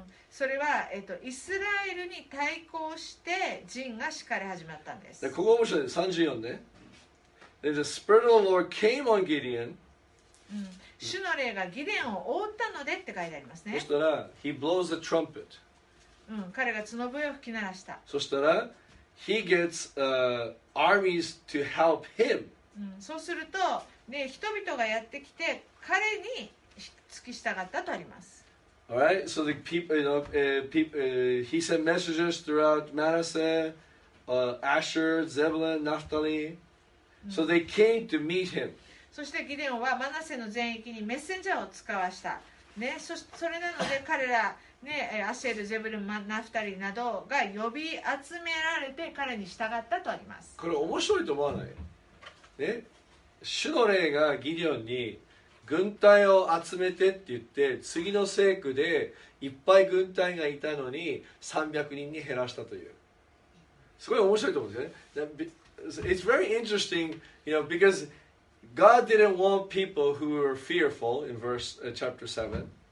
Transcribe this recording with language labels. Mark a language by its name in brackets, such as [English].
[Japanese] それは、イスラエルに対抗して陣が敷かれ始まったんです。ここ面白い、34ね。 [English] There's a spirit of the Lord came on Gideon. [Japanese] 主の霊がギデオンを覆ったのでって書いてありますね。そしたら、 [English] He blows the trumpet. [Japanese] 彼が角笛を吹き鳴らした。そしたら、 [English] He gets armies to help him. [Japanese] そうすると、ね、人々がやってきて彼に付き従ったとあります。 [English] All right. So the people, you know, he sent messages throughout Manasseh, Asher, Zebulun, Naphtali. So they came to meet him. [Japanese] そしてギデオンはマナセの全域にメッセンジャーを使わした。ね、それなので彼ら。ね、アシェル、ゼブル、ナフタリなどが呼び集められて彼に従ったとあります。これ面白いと思わない、ね、主の霊がギデオンに軍隊を集めてって言って次の聖句でいっぱい軍隊がいたのに300人に減らしたというすごい面白いと思うんですよね。 [English] It's very interesting, you know, because God didn't want people who were fearful in verse, chapter 7